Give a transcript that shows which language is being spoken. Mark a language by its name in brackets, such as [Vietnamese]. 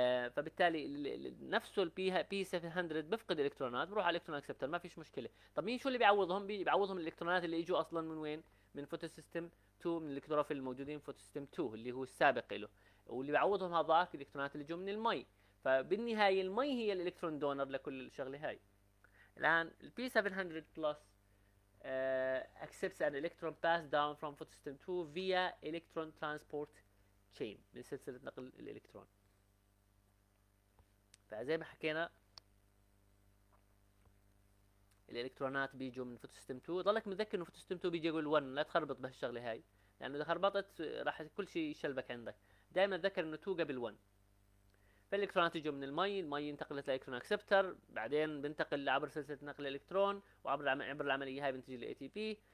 [Arabic] فبالتالي نفسه البي 700 بفقد الكترونات بروح على الكترون اكسبتر ما فيش مشكله. طب مين شو اللي بيعوضهم؟ بيعوضهم الالكترونات اللي اجوا اصلا من وين؟ من فوتو سيستم 2، من الكلوروفيل الموجودين في فوتو سيستم 2 اللي هو السابق له، واللي بيعوضهم هذاك الالكترونات اللي اجوا من المي. فبالنهايه المي هي الالكترون دونر لكل الشغله هاي. الان البي 700 بلس [English] accepts an electron passed down from photosystem 2 via electron transport chain [Arabic] من سلسلة نقل الإلكترون. فزي ما حكينا الإلكترونات بيجوا من photosystem 2، ضلك متذكر إنه photosystem 2 بيجي يقول 1، لا تخربط بهالشغلة هاي، لأنه إذا خربطت راح كل شيء يشلبك عندك، دائما تذكر إنه 2 قبل 1. فالالكترونات تجوا من المي، المي انتقلت لالكترون اكسبتر، بعدين بنتقل عبر سلسله نقل الالكترون وعبر عبر العمليه هاي بنتج الاي تي بي.